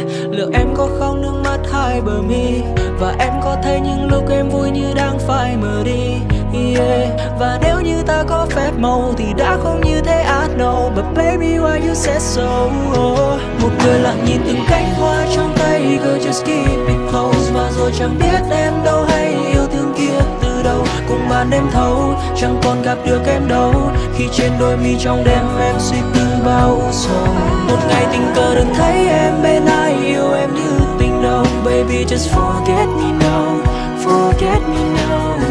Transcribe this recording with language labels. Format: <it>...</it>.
<vi>Liệu em có khóc nước mắt hai bờ mi, và em có thấy những lúc em vui như đang phải mờ đi yeah. Và nếu như ta có phép màu thì đã không như thế</vi> <en>I know. But baby why you said so oh.</en> <vi>Một người lặng nhìn từng cánh hoa trong tay,</vi> <en>girl just keep it close.</en> <vi>Và rồi chẳng biết em đâu hay yêu thương kia từ đâu. Cùng màn đêm thâu chẳng còn gặp được em đâu. Khi trên đôi mi trong đêm em suy tư bao sầu. Một ngày tình cờ được thấy em bên ai, yêu em như tình đầu.</vi> <en>Baby just forget me now, forget me now.</en>